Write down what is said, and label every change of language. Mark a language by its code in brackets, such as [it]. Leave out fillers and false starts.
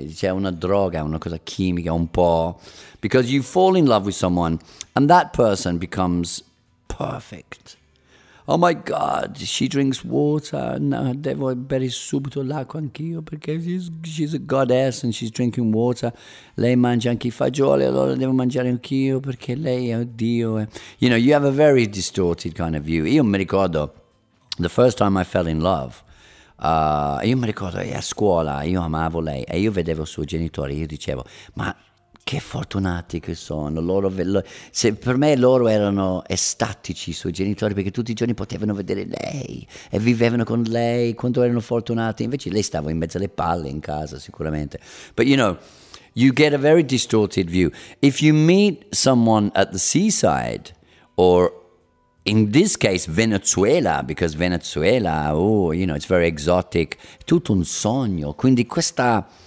[it] C'è una droga, una cosa chimica, un po'. [en] Because you fall in love with someone, and that person becomes perfect. Oh my God, she drinks water, no, [it] devo bere subito l'acqua anch'io, perché [en] she's a goddess and she's drinking water. [it] Lei mangia anche I fagioli, allora devo mangiare anch'io, perché lei è Dio. [en] You know, you have a very distorted kind of view. [it] Io mi ricordo, [en] the first time I fell in love, [it] io mi ricordo, a scuola, io amavo lei, e io vedevo suo genitore, io dicevo, ma... Che fortunati che sono, loro, se per me loro erano estatici, I suoi genitori, perché tutti I giorni potevano vedere lei e vivevano con lei, quanto erano fortunati, invece lei stava in mezzo alle palle in casa sicuramente. [en] But you know, you get a very distorted view. If you meet someone at the seaside, or in this case Venezuela, because Venezuela, oh, you know, it's very exotic, [it] tutto un sogno, quindi questa...